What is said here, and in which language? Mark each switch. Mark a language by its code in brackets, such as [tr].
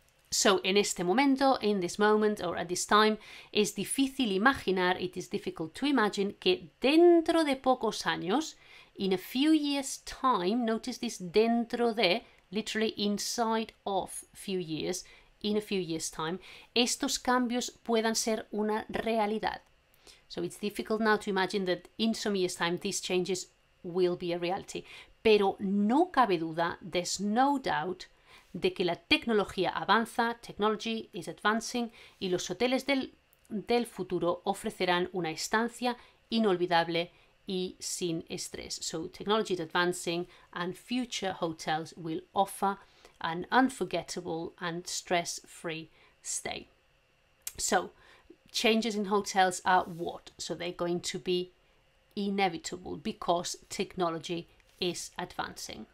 [en] So, en este momento, in this moment, or at this time, es difícil imaginar, it is difficult to imagine, que dentro de pocos años, in a few years' time, notice this, dentro de, literally inside of few years, in a few years' time, estos cambios puedan ser una realidad. So, it's difficult now to imagine that in some years' time, these changes will be a reality. [es] Pero no cabe duda, there's no doubt, de que la tecnología avanza, technology is advancing, y los hoteles del futuro ofrecerán una estancia inolvidable y sin estrés. [en] So technology is advancing and future hotels will offer an unforgettable and stress-free stay. So changes in hotels are what? So they're going to be inevitable because technology is advancing.